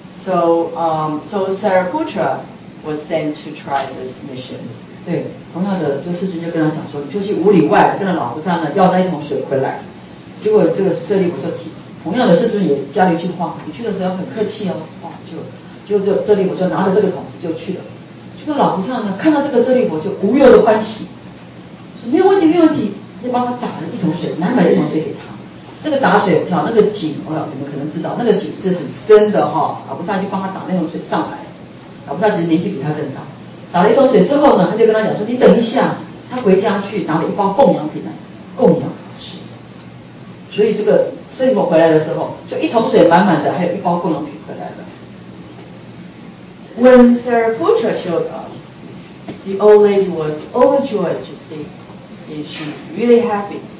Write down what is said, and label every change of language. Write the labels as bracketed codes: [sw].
[en] So Sariputra was sent to try this mission. [zh] 对，同样的，这世尊就跟他讲说，你就去五里外跟着老和尚呢，要那一桶水回来。结果这个舍利弗就提。同样的世尊也加了一句话，你去的时候很客气哦，哇，就舍利弗就拿着这个桶子就去了。这个老和尚呢，看到这个舍利弗就无忧的欢喜，说没有问题，没有问题，就帮他打了一桶水，满满的一桶水给他。那个打水叫那个井，哦，你们可能知道，那个井是很深的哈。老和尚就帮他打那桶水上来，老和尚其实年纪比他更大。打了一桶水之后呢，他就跟他讲说，你等一下，他回家去拿了一包供养品来供养他吃。所以这个舍利弗回来的时候，就一桶水满满的，还有一包供养品回来了。 [en] When Sariputra showed up, the old lady was overjoyed to see, and she's really happy.